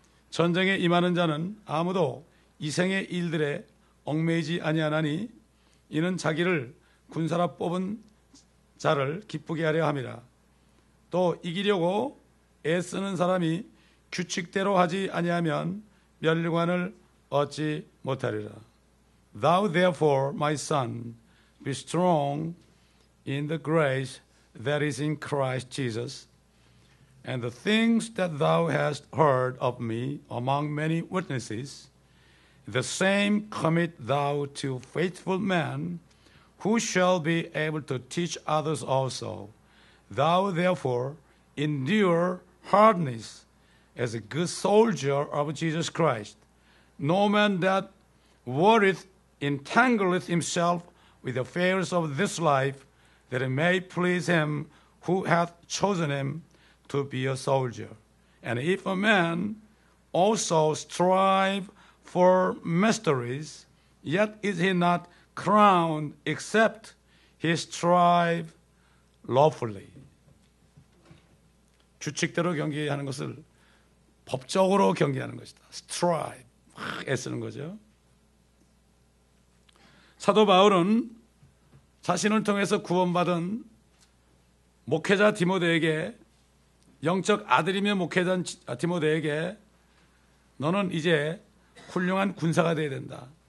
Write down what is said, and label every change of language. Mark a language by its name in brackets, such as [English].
[Korean] 전쟁에 임하는 자는 아무도 이생의 일들에 얽매이지 아니하나니 이는 자기를 군사로 뽑은 자를 기쁘게 하려 함이라. 또 이기려고 애쓰는 사람이 규칙대로 하지 아니하면 멸류관을 얻지 못하리라. [English] Thou therefore, my son, be strong in the grace that is in Christ Jesus. And the things that thou hast heard of me among many witnesses, the same commit thou to faithful men who shall be able to teach others also. Thou therefore endure hardness as a good soldier of Jesus Christ. No man that worrieth entangleth himself with the affairs of this life, that it may please him who hath chosen him to be a soldier. And if a man also strive for mysteries, yet is he not crowned except he strive lawfully. [Korean] 규칙대로 경기하는 것을 법적으로 경기하는 것이다. strive, 애쓰는 거죠. 사도 바울은 자신을 통해서 구원받은 목회자 디모데에게 영적 아들이며 목회자인 디모데에게 너는 이제 훌륭한 군사가 되어야 된다.